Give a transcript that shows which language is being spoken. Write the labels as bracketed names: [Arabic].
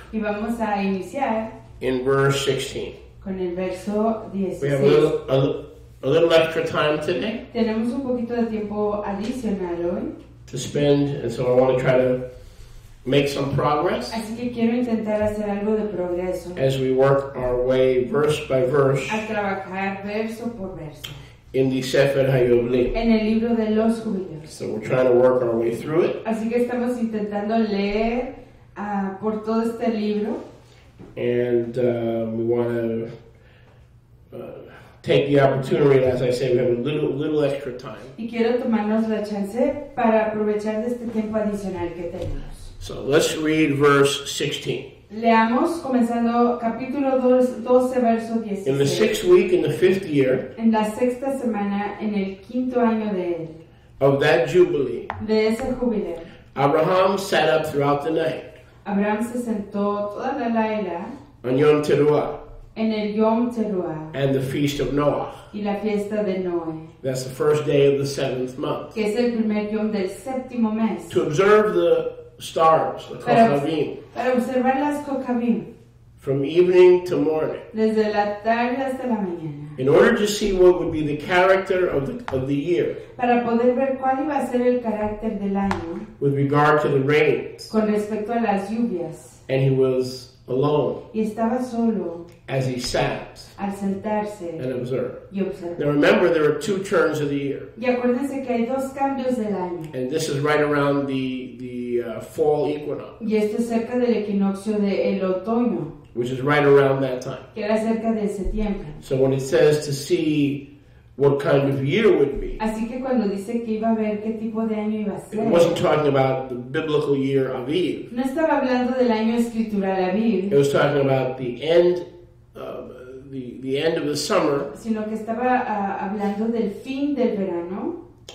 [Spanish] Y vamos a iniciar. [English] In verse 16. [Spanish] Con el verso 16. [English] We have a little extra time today. [Spanish] Tenemos un poquito de tiempo adicional hoy. [English] To spend, and so I want to try to make some progress. [Spanish] Así que quiero intentar hacer algo de progreso. [English] As we work our way verse by verse. [Spanish] A trabajar verso por verso. [English] In the Sefer Hayavlim. [Spanish] En el libro de los Jubilees. [English] So we're trying to work our way through it. [Spanish] Así que estamos intentando leer por todo este libro. [English] And we want to take the opportunity, as I say, we have a little extra time. [Spanish] Y quiero tomarnos la chance para aprovechar de este tiempo adicional que tenemos. [English] So let's read verse 16. [Spanish] Leamos comenzando capítulo 12, verso 16. [English] In the sixth week, in the fifth year. [Spanish] En la sexta semana, en el quinto año de él. [English] Of that jubilee. [Spanish] De ese jubileo. [English] Abraham sat up throughout the night. [Spanish] Abraham se sentó toda la laila. [English] On Yom Teruah. [Spanish] En el Yom Teruah. [English] And the feast of Noah. [Spanish] Y la fiesta de Noé. [English] That's the first day of the seventh month. [Spanish] Que es el primer Yom del séptimo mes. [English] To observe the stars, the kochavim. [Spanish] Para observar las kochavim. [English] From evening to morning. [Spanish] Desde la tarde hasta la mañana. [English] In order to see what would be the character of the year. [Spanish] Para poder ver cuál iba a ser el carácter del año. [English] With regard to the rains. [Spanish] Con respecto a las lluvias. [English] And he was alone. [Spanish] Y estaba solo. [English] As he sat. [Spanish] Al sentarse. [English] And observed. [Spanish] Y observó. [English] Now remember, there are two turns of the year. [Spanish] Y acuérdense que hay dos cambios del año. [English] And this is right around the fall equinox. [Spanish] Y esto es cerca del equinoccio de el otoño. [English] Which is right around that time. [Spanish] Que era cerca de ese tiempo. [English] So when it says to see what kind of year would be. [Spanish] Así que cuando dice que iba a ver qué tipo de año iba a ser. [English] It wasn't talking about the biblical year Aviv. [Spanish] No estaba hablando del año escritural Aviv. [English] It was talking about the end of the end of the summer. [Spanish] Sino que estaba hablando del fin del verano.